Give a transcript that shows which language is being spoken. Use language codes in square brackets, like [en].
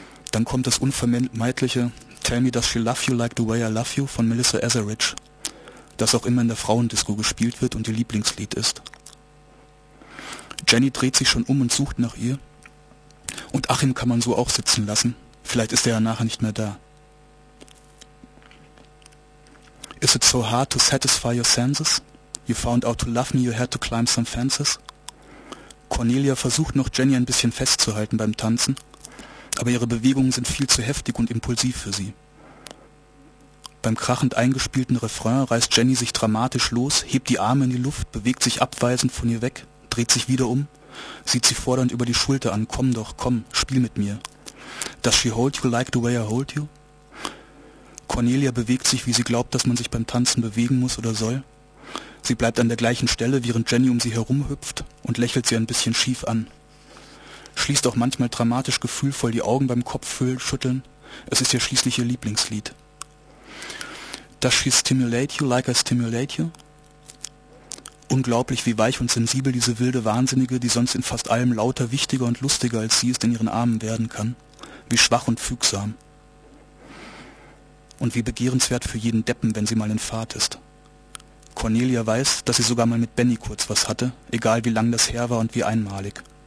[de] Dann kommt das unvermeidliche [en] Tell me, does she love you [de] like the way I love you von Melissa Etheridge, das auch immer in der Frauendisco gespielt wird und ihr Lieblingslied ist. Jenny dreht sich schon um und sucht nach ihr. Und Achim kann man so auch sitzen lassen. Vielleicht ist er ja nachher nicht mehr da. [en] Is it so hard to satisfy your senses? You found out to love me, you had to climb some fences? [de] Cornelia versucht noch, Jenny ein bisschen festzuhalten beim Tanzen. Aber ihre Bewegungen sind viel zu heftig und impulsiv für sie. Beim krachend eingespielten Refrain reißt Jenny sich dramatisch los, hebt die Arme in die Luft, bewegt sich abweisend von ihr weg, dreht sich wieder um, sieht sie fordernd über die Schulter an. Komm doch, komm, spiel mit mir. [en] Does she hold you like the way I hold you? [de] Cornelia bewegt sich, wie sie glaubt, dass man sich beim Tanzen bewegen muss oder soll. Sie bleibt an der gleichen Stelle, während Jenny um sie herumhüpft und lächelt sie ein bisschen schief an. Schließt auch manchmal dramatisch gefühlvoll die Augen beim Kopf schütteln. Es ist ja schließlich ihr Lieblingslied. [en] Does she stimulate you like I stimulate you? [de] Unglaublich, wie weich und sensibel diese wilde Wahnsinnige, die sonst in fast allem lauter, wichtiger und lustiger als sie ist, in ihren Armen werden kann. Wie schwach und fügsam. Und wie begehrenswert für jeden Deppen, wenn sie mal in Fahrt ist. Cornelia weiß, dass sie sogar mal mit Benny kurz was hatte, egal wie lang das her war und wie einmalig.